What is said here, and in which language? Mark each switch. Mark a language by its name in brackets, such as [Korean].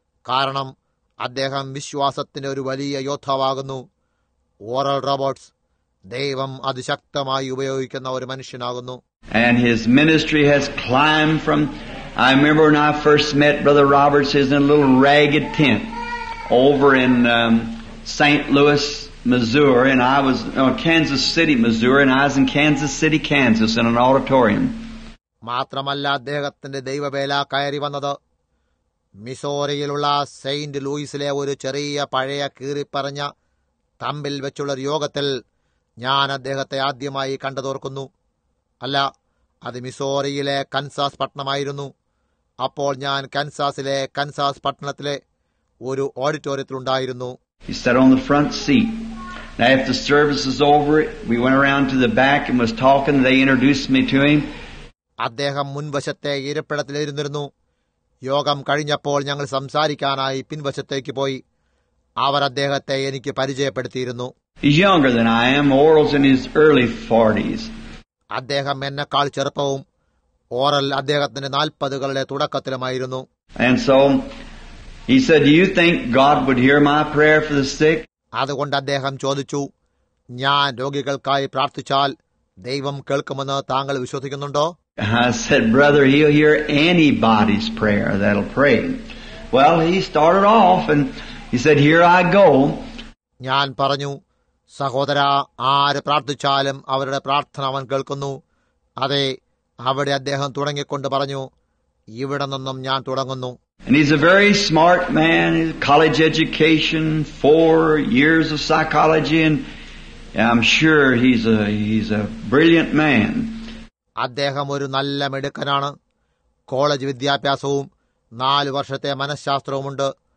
[Malayalam] കാരണം അദ്ദേഹം വിശ്വാസത്തിൻ്റെ ഒരു വലിയ യോദ്ധാവാകുന്നു. ഓറൽ റോബർട്സ് ദൈവം അത് ശക്തമായി ഉപയോഗിക്കുന്ന ഒരു മനുഷ്യനാകുന്നു. [English] And his ministry has climbed from, I remember when I first met Brother Roberts, he was in a little ragged tent over in St. Louis, Missouri, and I was in Kansas City, Missouri, and I was in Kansas City, Kansas, in an auditorium. [Malayalam] മാത്രമല്ല അദ്ദേഹത്തിന്റെ ദൈവവേല കയറി വന്നത് മിസോറിയിലുള്ള Saint ലൂയിസിലെ ഒരു ചെറിയ പഴയ കീറിപ്പറഞ്ഞ തമ്പിൽ വെച്ചുള്ള ഒരു യോഗത്തിൽ ഞാൻ അദ്ദേഹത്തെ ആദ്യമായി കണ്ടതോർക്കുന്നു. അല്ല, അത് മിസോറിയിലെ കൻസാസ് പട്ടണമായിരുന്നു. അപ്പോൾ ഞാൻ കൻസാസിലെ കൻസാസ് പട്ടണത്തിലെ ഒരു ഓഡിറ്റോറിയത്തിലുണ്ടായിരുന്നു. [English] He sat on the front seat. Now if the service is over, we went around to the back and was talking. They introduced me to him. [Malayalam] അദ്ദേഹം മുൻവശത്തെ ഇരിപ്പിടത്തിലിരുന്നിരുന്നു. യോഗം കഴിഞ്ഞപ്പോൾ ഞങ്ങൾ സംസാരിക്കാനായി പിൻവശത്തേക്ക് പോയി. അവർ അദ്ദേഹത്തെ എനിക്ക് പരിചയപ്പെടുത്തിയിരുന്നു. [English] He's younger than I am. Oral's in his early 40s. [Malayalam] അദ്ദേഹം എന്നെക്കാൾ ചെറുപ്പവും ഓറൽ അദ്ദേഹത്തിന്റെ 40s തുടക്കത്തിലുമായിരുന്നു. [English] And so he said, do you think God would hear my prayer for the sick? [Malayalam] അതുകൊണ്ട് അദ്ദേഹം ചോദിച്ചു, ഞാൻ രോഗികൾക്കായി പ്രാർത്ഥിച്ചാൽ ദൈവം കേൾക്കുമെന്ന് താങ്കൾ വിശ്വസിക്കുന്നുണ്ടോ? [English] I said, brother, he'll hear anybody's prayer that'll pray. Well, he started off and he said, here I go. [Malayalam] ഞാൻ പറഞ്ഞു, സഹോദര, ആര് പ്രാർത്ഥിച്ചാലും അവരുടെ പ്രാർത്ഥന അവൻ കേൾക്കുന്നു. അതെ, അവിടെ അദ്ദേഹം തുടങ്ങിക്കൊണ്ട് പറഞ്ഞു, ഇവിടെ നിന്നും ഞാൻ തുടങ്ങുന്നു. [English] And he's a very smart man, college education, 4 years of psychology, and I'm sure he's a brilliant man. [Malayalam] അദ്ദേഹം ഒരു നല്ല മിടുക്കനാണ്. കോളേജ് വിദ്യാഭ്യാസവും 4 വർഷത്തെ മനഃശാസ്ത്രവും ഉണ്ട്.